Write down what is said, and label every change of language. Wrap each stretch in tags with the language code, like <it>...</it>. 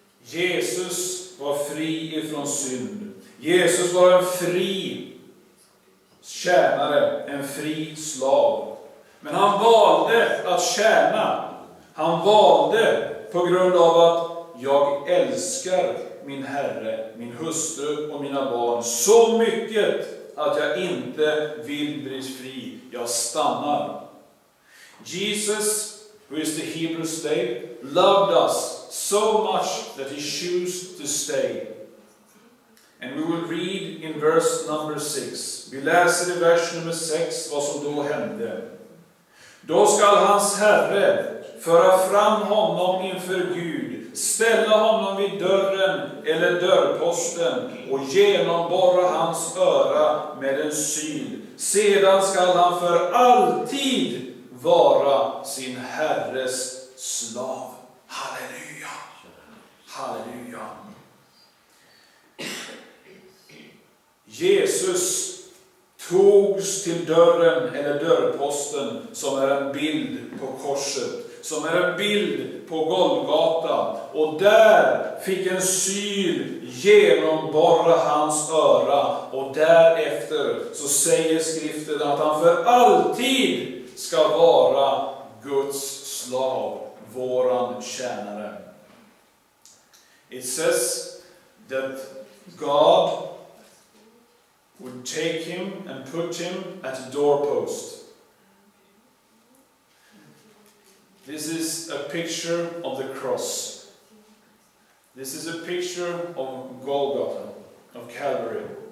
<sv>Jesus var fri ifrån synd. Jesus var en fri tjänare, en fri slav. Men han valde att tjäna. Han valde på grund av att jag älskar min herre, min hustru och mina barn så mycket att jag inte vill bli fri. Jag stannar.</sv> <en>Jesus, who is the Hebrew slave, loved us so much that he chose to stay. And we will read in verse number 6.</en> <sv>Vi läser i vers nummer 6 vad som då hände. Då ska hans herre föra fram honom inför Gud ställa honom vid dörren eller dörrposten och genomborra hans öra med en syl. Sedan skall han för alltid vara sin herres slav. Halleluja! Halleluja! Jesus togs till dörren eller dörrposten, som är en bild på korset, som är en bild på Golgata, och där fick en syl genomborra hans öra, och därefter så säger skriften att han för alltid ska vara Guds slav, våran tjänare.</sv> <en>It says that God would take him and put him at a doorpost. This is a picture of the cross. This is a picture of Golgotha, of Calvary.</en>